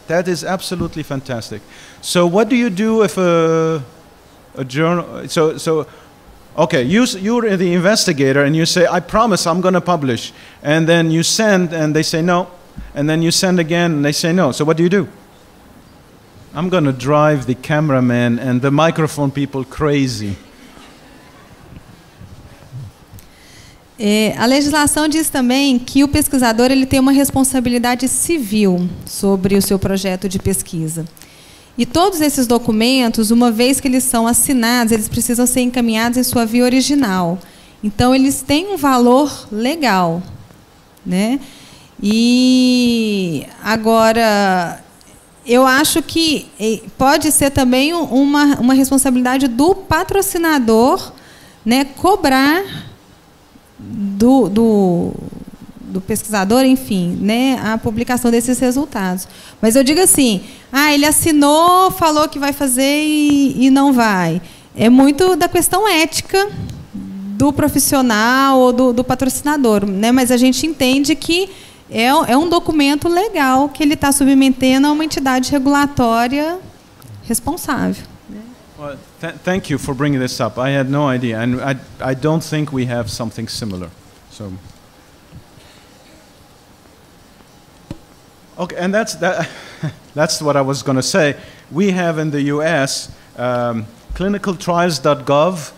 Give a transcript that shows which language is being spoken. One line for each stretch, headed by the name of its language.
English: That is absolutely fantastic. So what do you do if a journal, okay, you're the investigator and you say, I promise I'm gonna publish. And then you send and they say no. And then you send again and they say no. So what do you do? I'm going to drive the cameraman and the microphone people crazy.
Portuguese: É, a legislação diz também que o pesquisador ele tem uma responsabilidade civil sobre o seu projeto de pesquisa. E todos esses documentos, uma vez que eles são assinados, eles precisam ser encaminhados em sua via original. Então, eles têm um valor legal, né? E agora, eu acho que pode ser também uma responsabilidade do patrocinador, né, cobrar do pesquisador, enfim, né, a publicação desses resultados. Mas eu digo assim, ah, ele assinou, falou que vai fazer e não vai. É muito da questão ética do profissional ou do patrocinador, né? Mas a gente entende que é um documento legal que ele está submetendo a uma entidade regulatória responsável.
English: Well, thank you for bringing this up. I had no idea, and I don't think we have something similar. So, okay, and that's what I was going to say. We have in the U.S. Clinicaltrials.gov.